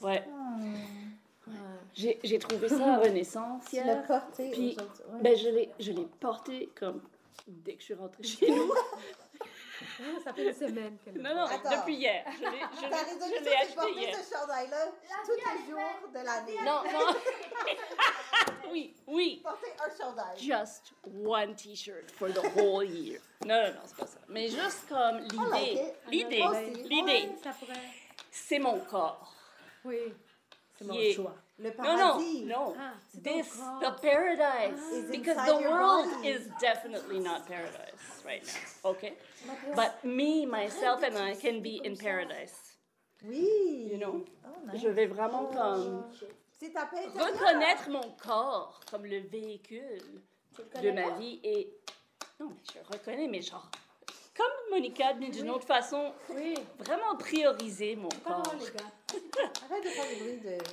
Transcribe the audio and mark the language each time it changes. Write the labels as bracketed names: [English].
[French] Ouais. J'ai trouvé ça à Renaissance. Tu l'as porté. Puis, ben je l'ai porté comme dès que je suis rentrée chez nous. Ça fait une semaine. Non, attends. Depuis hier. Je l'ai acheté hier. Tu portes ce chandail-là tous les jours de l'année. Non. Oui. Porter un chandail. [English] Just one t-shirt for the whole year. [French] Non, c'est pas ça. Mais juste comme l'idée. L'idée. Ça pourrait... C'est mon corps. Oui. C'est mon choix. Le paradis. [English] No. This, the paradise. Because the world is definitely not paradise right now. Okay? But me, myself, and I can be in paradise. [French] Oui. [English] You know? [French] Je vais vraiment comme... C'est ta paix intérieure. Reconnaître mon corps comme le véhicule de ma vie et... Non, mais je reconnais, mais genre... Comme Monica, mais d'une autre façon, vraiment prioriser mon corps. Les gars. Arrête de faire du bruit de...